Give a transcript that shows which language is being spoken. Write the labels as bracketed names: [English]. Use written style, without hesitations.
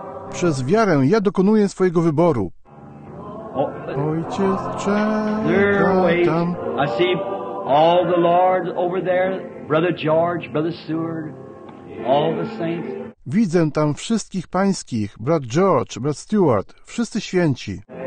[Polish] Przez wiarę ja dokonuję swojego wyboru. Ojciec czeka tam. [English] I see all the Lord over there. Brother George, Brother Seward, all the saints. [Polish] Widzę tam wszystkich pańskich, brat George, brat Stuart, wszyscy święci.